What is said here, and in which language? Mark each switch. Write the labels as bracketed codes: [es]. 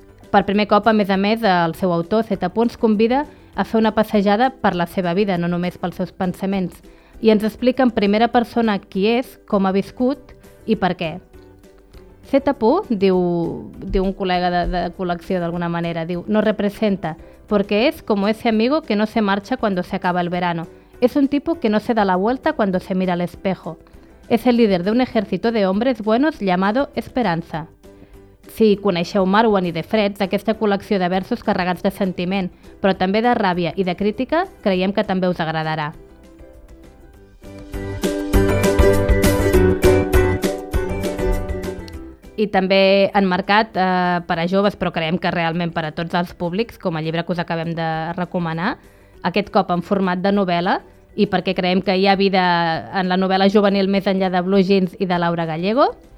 [ca] Per primer cop, a més, el seu autor, Zetapu, ens convida a fer una passejada per la seva vida, no només pels seus pensaments, i ens explica en primera persona qui és, com ha viscut i per què. [es] Zetapu, [ca] diu un col·lega de col·lecció d'alguna manera, diu, no representa, [es] porque es como ese amigo que no se marcha cuando se acaba el verano. Es un tipo que no se da la vuelta cuando se mira al espejo. Es el líder de un ejército de hombres buenos llamado Esperanza. [ca] Si coneixeu Marwan i The Freds, aquesta col·lecció de versos carregats de sentiment, però també de ràbia i de crítica, creiem que també us agradarà. i també enmarcat per a joves, però creiem que realment per a tots els públics, com el llibre que us acabem de recomanar, aquest cop en format de novel·la, i perquè creiem que hi ha vida en la novel·la juvenil més enllà de Blue Jeans i de Laura Gallego.